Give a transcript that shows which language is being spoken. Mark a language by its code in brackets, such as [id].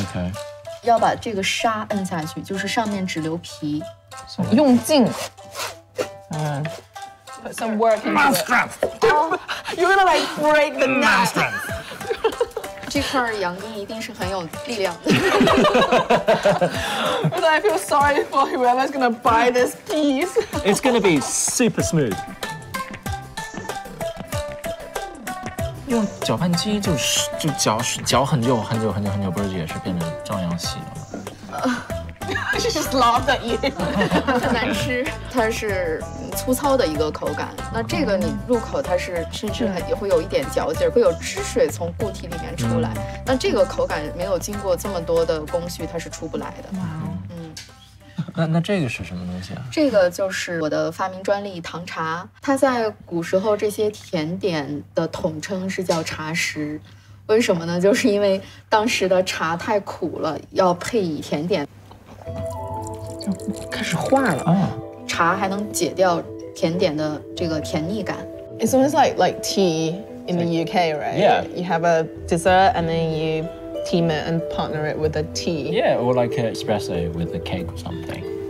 [en] OK。 [zh] 要把这个沙摁下去，就是上面只留皮。 [en] So, [zh] 用劲。 [en] Put some work in mouth strap. You're gonna like break the mouth strap. [zh] 这块羊筋一定是很有力量的。 [en] But I feel sorry for whoever's gonna buy this piece. It's gonna be super smooth. [zh] 用搅拌机就搅搅很久很久很久很久，不是也是变成照样细了吗？这是 sloppy，很难吃。它是粗糙的一个口感，那这个你入口它是甚至也会有一点嚼劲，会有汁水从固体里面出来。那这个口感没有经过这么多的工序，它是出不来的。那这个是什么东西啊？这个就是我的发明专利糖茶，它在古时候这些甜点的统称是叫茶食。为什么呢？就是因为当时的茶太苦了，要配以甜点。开始化了啊！茶还能解掉甜点的这个甜腻感。 [en] It's almost like tea in the UK, right? Yeah. You have a dessert and then you. Team it and partner it with a tea. Yeah, or like an espresso with a cake or something.